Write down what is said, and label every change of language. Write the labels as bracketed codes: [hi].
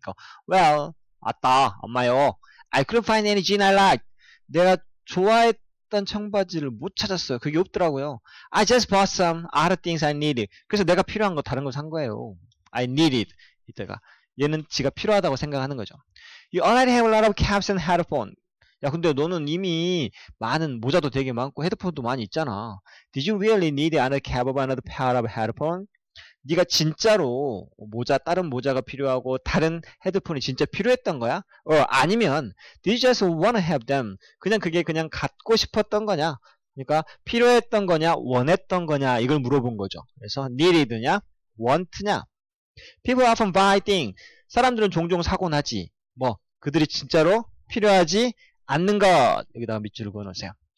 [ko] 그러니까, [en] well, [ko] 아따, 엄마요. [en] I couldn't find any jean I like. [ko] 내가 좋아했던 청바지를 못 찾았어요. 그게 없더라고요. [en] I just bought some other things I needed. [ko] 그래서 내가 필요한 거 다른 거 산 거예요. [en] I needed. [ko] 이때가 얘는 지가 필요하다고 생각하는 거죠. [en] You already have a lot of caps and headphones. [ko] 야, 근데 너는 이미 많은 모자도 되게 많고 헤드폰도 많이 있잖아. [en] Did you really need another cap or another pair of headphones? [ko] 네가 진짜로 모자, 다른 모자가 필요하고 다른 헤드폰이 진짜 필요했던 거야? 어, 아니면 [en] Did you just want to have them? [ko] 그냥 그게 그냥 갖고 싶었던 거냐? 그러니까 필요했던 거냐, 원했던 거냐 이걸 물어본 거죠. 그래서 need이냐, want냐. [en] People often buy things. [ko] 사람들은 종종 사곤 하지. 뭐 그들이 진짜로 필요하지 않는 것. 여기다가 밑줄을 그어놓으세요.